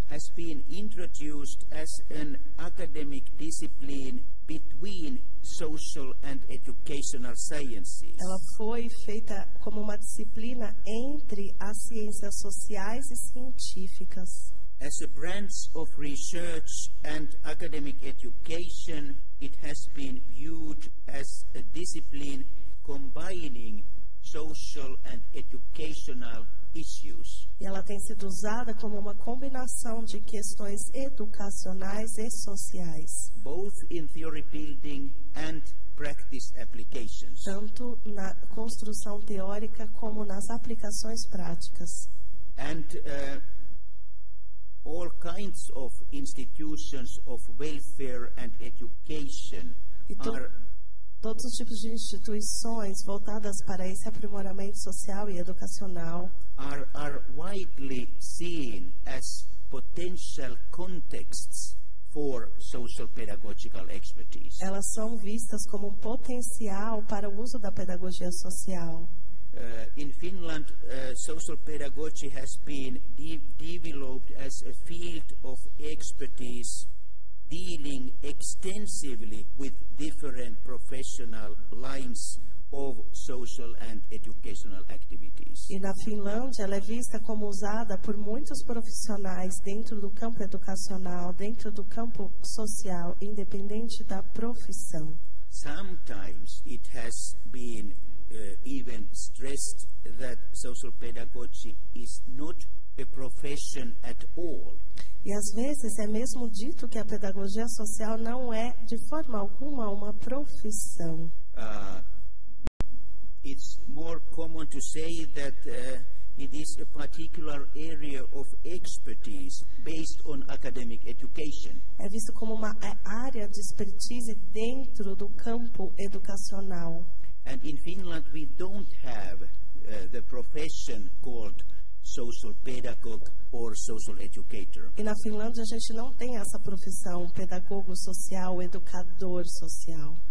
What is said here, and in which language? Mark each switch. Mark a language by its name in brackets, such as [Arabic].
[English] has been introduced as an academic discipline between social and educational sciences. [Portuguese] Ela foi feita como uma disciplina entre as ciências sociais e científicas. [English] As a branch of research and academic education, it has been viewed as a discipline combining social and educational issues. [Portuguese] E ela tem sido usada como uma combinação de questões educacionais e sociais. [English] Both in theory building and practice applications. [Portuguese] Tanto na construção teórica como nas aplicações práticas. [English] And all kinds of institutions of welfare and education are [Portuguese] todos os tipos de instituições voltadas para esse aprimoramento social e educacional [English] are widely seen as potential contexts for social pedagogical expertise. [Portuguese] Elas são vistas como um potencial para o uso da pedagogia social. [English] In Finland, social pedagogy has been developed as a field of expertise dealing extensively with different professional lines of social and educational activities. [Portuguese] E na Finlândia, ela é vista como usada por muitos profissionais dentro do campo educacional, dentro do campo social, independente da profissão. [English] Sometimes it has been even stressed that social pedagogy is not a profession at all. [Portuguese] E às vezes é mesmo dito que a pedagogia social não é de forma alguma uma profissão. [English] It's more common to say that it is a particular area of expertise based on academic education. [Portuguese] É visto como uma área de expertise dentro do campo educacional. [English] And in Finland we don't have the profession called social pedagogue or social educator. [Portuguese] E na Finlândia a gente não tem essa profissão, pedagogo social, educador social.